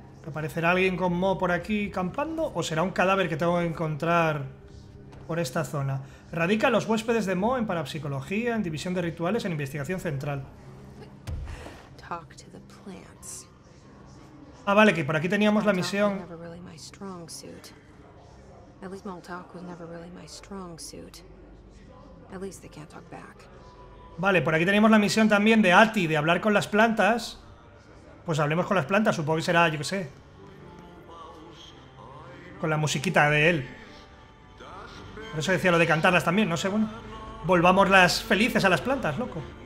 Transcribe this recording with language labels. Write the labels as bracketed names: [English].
[Spanish] ¿Aparecerá alguien con Mo por aquí campando o será un cadáver que tengo que encontrar por esta zona? Radica los huéspedes de Mo en parapsicología, en división de rituales, en investigación central. [English] Talk to the plants. [Spanish] Ah, vale, que por aquí teníamos la misión. [English] Strong suit. At least Mole talk was never really my strong suit. At least they can't talk back. [Spanish] Vale, por aquí tenemos la misión también de Ati, de hablar con las plantas. Pues hablemos con las plantas, supongo que será, yo qué sé. Con la musiquita de él. Por eso decía lo de cantarlas también, no sé, bueno. Volvamos las felices a las plantas, loco.